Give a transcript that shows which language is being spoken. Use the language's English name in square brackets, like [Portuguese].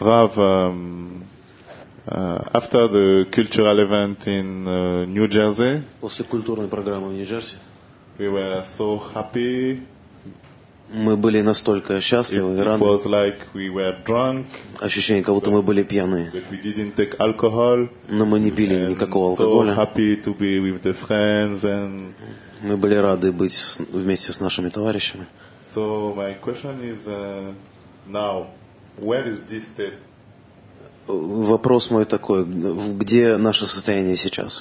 [English] Rav, after the cultural event in New Jersey. [Russian] После культурной программы в Нью-Джерси. [English] We were so happy. [Russian] Мы были настолько счастливы и рады. [English] It was like we were drunk. [Russian] Ощущение, как будто мы были пьяны. [English] But we didn't take alcohol. [Russian] Но мы не пили никакого алкоголя. [English] So happy to be with the friends and. [Russian] Мы были рады быть вместе с нашими товарищами. [English] So my question is now, where is this state? [Russian] Вопрос мой такой: где наше состояние сейчас?